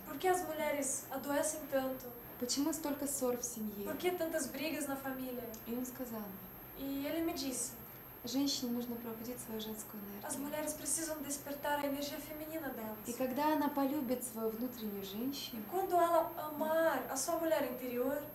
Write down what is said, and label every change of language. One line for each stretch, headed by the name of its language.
Portuguese: Por que as mulheres adoecem tanto?
Russian: Почему столько ссор в семье?
Portuguese: Por que tantas brigas na família?
Russian: И он сказал.
Portuguese: И ele me disse.
Russian: Женщине нужно пробудить свою женскую энергию.
Portuguese: As mulheres precisam despertar a energia feminina delas.
Russian: И когда она полюбит свою внутреннюю женщину,
Portuguese: quando ela amar a sua mulher interior,